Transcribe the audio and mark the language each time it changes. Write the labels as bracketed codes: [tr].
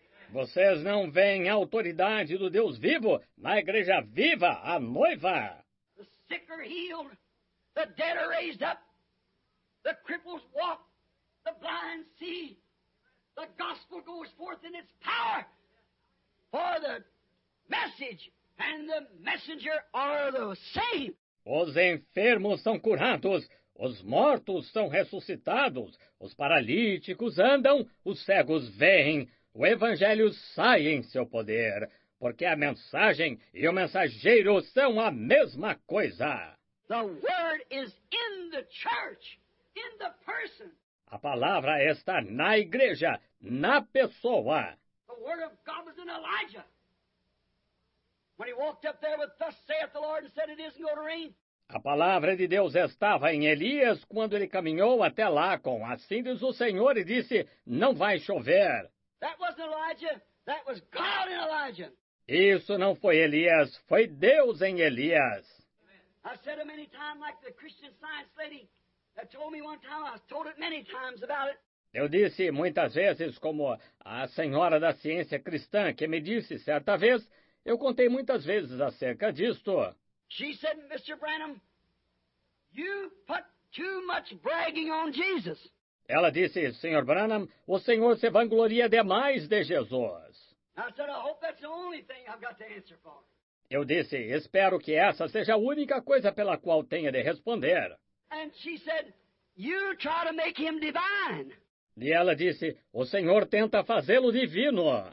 [pt] Vocês não veem a autoridade do Deus vivo na igreja viva, a noiva? [en] The sick are healed, the dead are raised up, the cripples walk, the blind see, the gospel goes forth in its power, for the message and the messenger are the same. [pt] Os enfermos são curados, os mortos são ressuscitados, os paralíticos andam, os cegos veem, o evangelho sai em seu poder, porque a mensagem e o mensageiro são a mesma coisa. [en] The word is in the church, in the person. [pt] A palavra está na igreja, na pessoa. [en] The word of God was in Elijah. When he walked up there with thus saith the Lord and said it isn't going to rain. [pt] A palavra de Deus estava em Elias quando ele caminhou até lá com assim diz o Senhor e disse não vai chover. [en] That wasn't Elijah, that was God in Elijah. [pt] Isso não foi Elias, foi Deus em Elias. [en] I said it many times like the Christian Science lady that told me one time, I've told it many times about it. [pt] Eu disse muitas vezes como a senhora da ciência cristã que me disse certa vez. Eu contei muitas vezes acerca disto. [en] She said, Mr. Branham, you put too much bragging on Jesus. [pt] Ela disse, Sr. Branham, o Senhor se vangloria demais de Jesus. [en] I said, I hope that's the only thing I've got to answer for. [pt] Eu disse, espero que essa seja a única coisa pela qual tenha de responder. [en] And she said, you try to make him divine. [pt] E ela disse, o Senhor tenta fazê-lo divino.